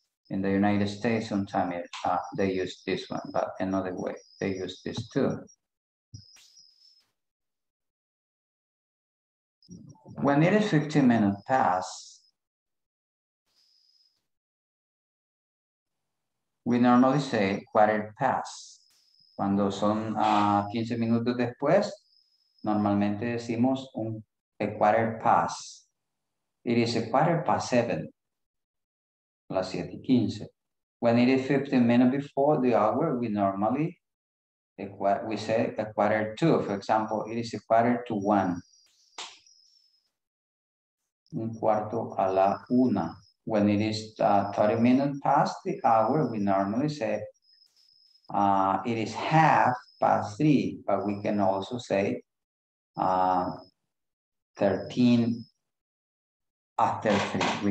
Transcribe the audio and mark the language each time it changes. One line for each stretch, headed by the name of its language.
English: In the United States, sometimes they use this one, but another way, they use this too. When it is 15 minutes past, we normally say quarter past.
Spanish: Cuando son 15 minutos después, normalmente decimos
English: a quarter past. It is a quarter past 7.
Spanish: Las 7:15.
English: When it is 15 minutes before the hour, we normally we say a quarter to. For example, it is a quarter to 1.
Spanish: Un cuarto a la una.
English: When it is 30 minutes past the hour, we normally say it is half past 3, but we can also say 13 after 3.